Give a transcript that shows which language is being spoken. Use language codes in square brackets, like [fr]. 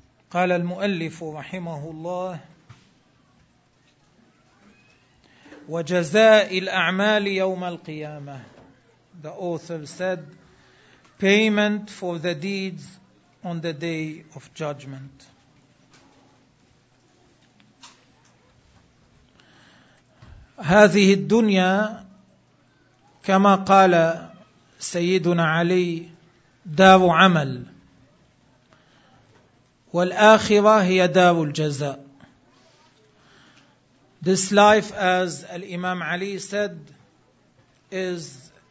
[ar] قال المؤلف رحمه الله: وجزاء الأعمال يوم القيامة. [en] The author said, payment for the deeds on the day of judgment. [ar] هذه الدنيا كما قال سيدنا علي دار عمل، والآخرة هي دار الجزاء. [en] This life, as Imam Ali said, is